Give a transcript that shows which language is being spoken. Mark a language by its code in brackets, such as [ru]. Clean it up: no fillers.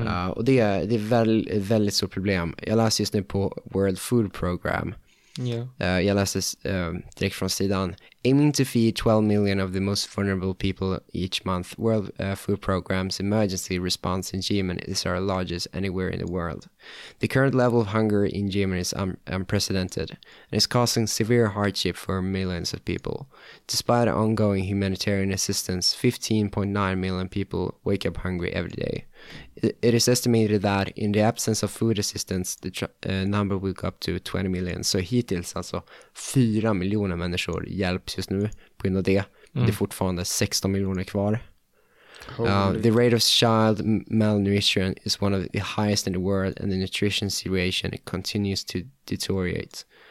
[sv] Och det är ett väldigt stort problem. Jag läser just nu på World Food Program. Jag läser direkt från sidan. [en] Aiming to feed 12 million of the most vulnerable people each month, World Food Program's emergency response in Yemen is our largest anywhere in the world. The current level of hunger in Yemen is unprecedented and is causing severe hardship for millions of people. Despite ongoing humanitarian assistance, 15.9 million people wake up hungry every day. It is estimated that in the absence of food assistance, the number will go up to 20 million. [sv] Så hittills alltså 4 miljoner människor hjälps just nu på grund av det. Mm. Det är fortfarande 16 miljoner kvar. [en] The rate of child malnutrition is one of the highest in the world and the nutrition situation continues to deteriorate.